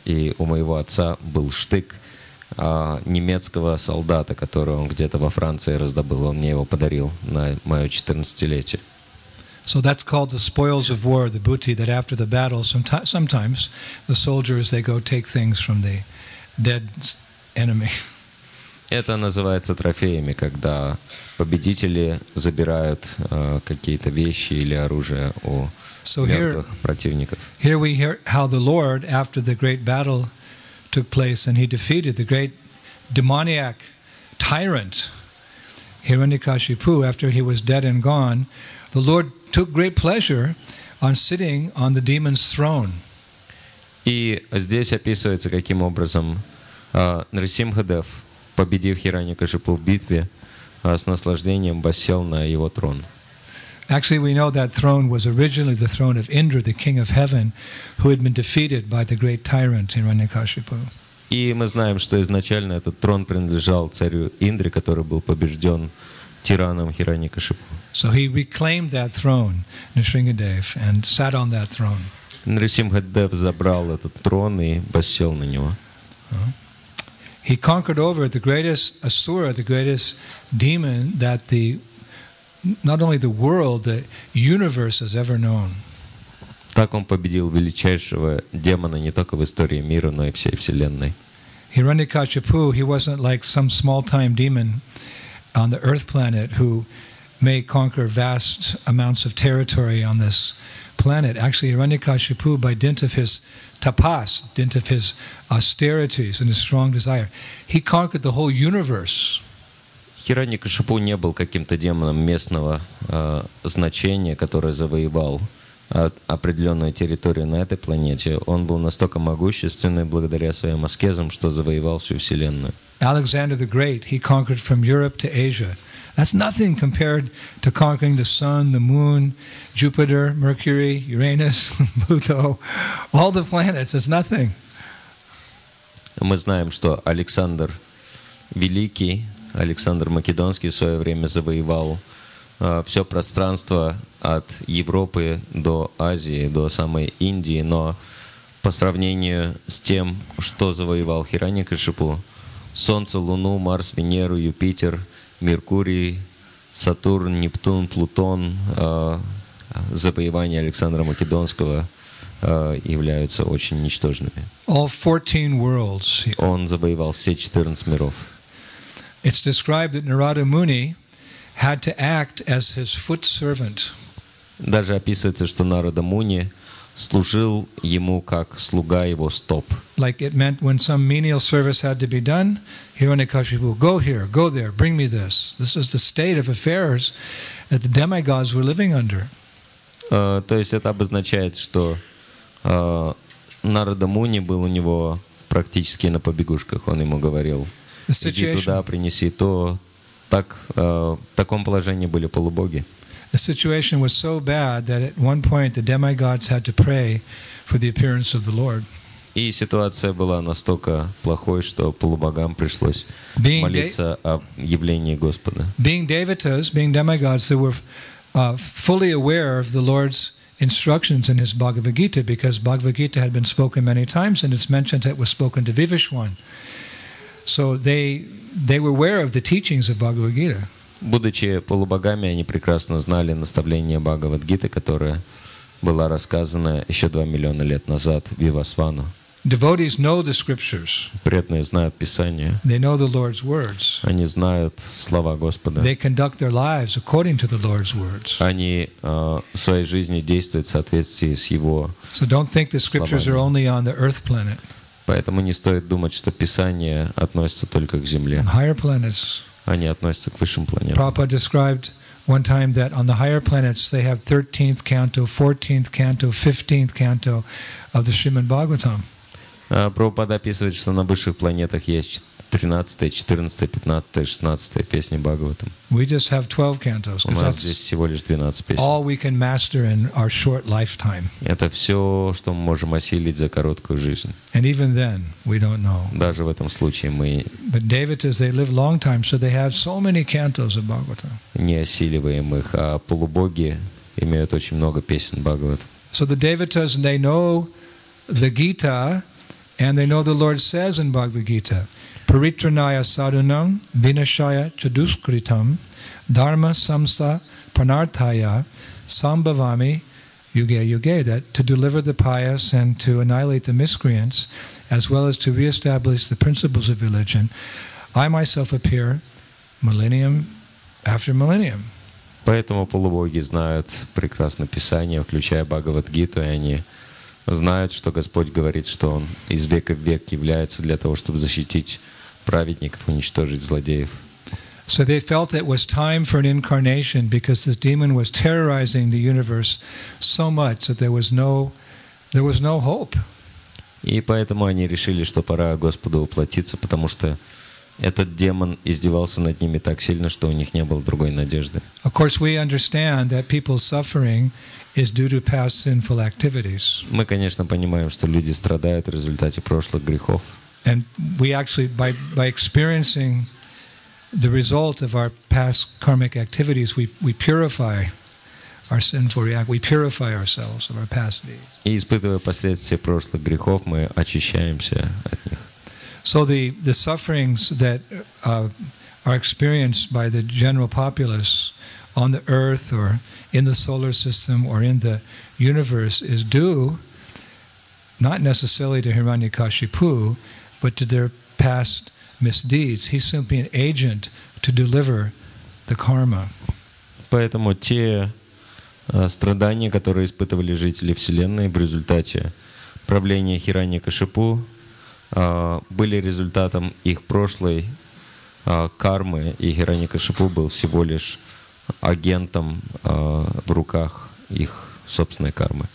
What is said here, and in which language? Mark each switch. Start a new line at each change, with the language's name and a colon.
Russian: И у моего отца был штык немецкого солдата, который он где-то во Франции раздобыл. Он мне его подарил на мое 14-летие.
English: So that's called the spoils of war, the booty, that after the battle, sometimes the soldiers, they go take things from the dead enemy.
Russian: Это называется трофеями, когда победители забирают какие-то вещи или оружие у мертвых противников.
English: Here we hear how the Lord, after the great battle took place, and he defeated the great demoniac tyrant, Hiranyakashipu, after he was dead and gone, the Lord took great pleasure on sitting on the demon's throne.
Russian: И здесь описывается, каким образом Нарсимхадев, победив Хираньякашипу в битве, с наслаждением воссел на его трон.
English: Actually, we know that throne was originally the throne of Indra, the king of heaven, who had been defeated by the great tyrant Hiranyakashipu.
Russian: И мы знаем, что изначально этот трон принадлежал царю Индре, который был побежден тираном Хираньякашипу.
English: So he reclaimed that throne, Нрисимхадев, and sat on that throne.
Russian: Нрисимхадев забрал этот трон и воссел на него.
English: He conquered over the greatest asura, the greatest demon that the not only the world, the universe has ever known.
Russian: Так он победил величайшего демона не только в истории мира, но и всей вселенной.
English: Hiranyakashipu, he wasn't like some small-time demon on the Earth planet who may conquer vast amounts of territory on this planet. Actually, Hiranyakashipu, by dint of his tapas, dint of his austerities and his strong desire, he conquered the whole universe.
Russian: Hiranyakashipu не был каким-то демоном местного значения, который завоевал определенную территорию на этой планете. Он был настолько могущественный благодаря своим аскезам, что завоевал всю вселенную.
English: Alexander the Great, he conquered from Europe to Asia. That's nothing compared to conquering the Sun, the Moon, Jupiter, Mercury, Uranus, Pluto, all the planets. It's nothing.
Russian: Мы знаем, что Александр Великий, Александр Македонский в свое время завоевал все пространство от Европы до Азии, до самой Индии, но по сравнению с тем, что завоевал Хиранья-Кашипу, Солнце, Луну, Марс, Венеру, Юпитер, Меркурий, Сатурн, Нептун, Плутон, завоевания Александра Македонского являются очень ничтожными.
English: All 14 worlds.
Russian: Он завоевал все 14 миров.
English: It's described that Narada Muni had to act as his foot servant.
Russian: Даже описывается, что Нарада Муни служил ему как слуга его стоп.
English: Like it meant when some menial service had to be done, Hiranyakashipu, go here, go there, bring me this. This is the state of affairs that the demigods were living under.
Russian: То есть это обозначает, что Нарада Муни был у него практически на побегушках. Он ему говорил, иди туда, принеси то. Так, в таком положении были полубоги.
English: The situation was so bad that at one point the demigods had to pray for the appearance of the Lord.
Russian: И ситуация была настолько плохой, что полубогам пришлось молиться о явлении Господа.
English: Being devatas, being demigods, they were fully aware of the Lord's instructions in his Bhagavad Gita, because Bhagavad Gita had been spoken many times, and it's mentioned that it was spoken to Vivishwan. So they were aware of the teachings of Bhagavad Gita.
Russian: Будучи полубогами, они прекрасно знали наставления Бхагавад Гиты, которая была рассказана еще 2 миллиона лет назад Вивасвану.
English: Devotees know the scriptures.
Russian: Преданные знают Писание.
English: They know the Lord's words.
Russian: Они знают слова Господа.
English: They conduct their lives according to the Lord's words.
Russian: Они в своей жизни действуют в соответствии с Его словами.
English: So don't think the scriptures are only on the earth planet.
Russian: Поэтому не стоит думать, что Писание относится только к Земле.
English: Higher planets.
Russian: Они относятся к высшим планетам.
English: Prabhupada described one time that on the higher planets they have 13th canto, 14th canto, 15th canto of the Srimad Bhagavatam.
Russian: Прабхупада описывает, что на высших планетах есть 13-я, 14-я, 15-я, 16-я песни Бхагаватам.
English: We just have 12 cantos.
Russian: У нас здесь всего лишь 12 песен.
English: All we can master in our short lifetime.
Russian: Это все, что мы можем осилить за короткую жизнь.
English: And even then, we don't know.
Russian: Даже в этом случае мы.
English: But devotees, they live long time, so they have so many cantos of Bhagavatam.
Russian: Не осиливаем их, а полубоги имеют очень много песен Бхагаватам.
English: So the devotees, they know the Gita. And they know the Lord says in Bhagavad Gita,
Sanskrit: Paritranaya sadunam vinashaya chaduskritam dharma samsa pranarthaya sambhavami yuge yuge,
English: that to deliver the pious and to annihilate the miscreants, as well as to reestablish the principles of religion, I myself appear millennium after millennium.
Russian: Поэтому полубоги знают прекрасное Писание, включая Бхагавад-гиту, и они знают, что Господь говорит, что Он из века в век является для того, чтобы защитить праведников, уничтожить злодеев.
English: So they felt it was time for an incarnation because this demon was terrorizing the universe so much that there was no hope.
Russian: И поэтому они решили, что пора Господу воплотиться, потому что этот демон издевался над ними так сильно, что у них не было другой надежды.
English: Of course, we understand that people's suffering is due to past sinful activities.
Russian: Мы, конечно, понимаем, что люди страдают в результате прошлых грехов.
English: And we actually, by experiencing the result of our past karmic activities, we purify our sinful react. We purify ourselves of our past deeds.
Russian: И испытывая последствия прошлых грехов, мы очищаемся от них.
English: So the sufferings that are experienced by the general populace on the earth or in the solar system or in the universe is due not necessarily to Hiranyakashipu, but to their past misdeeds. He's simply an agent to deliver the karma.
Russian: Поэтому те страдания, которые испытывали жители Вселенной в результате правления Хираньякашипу, были результатом их прошлой кармы, и Хираньякашипу был всего лишь агентом в руках их собственной кармы.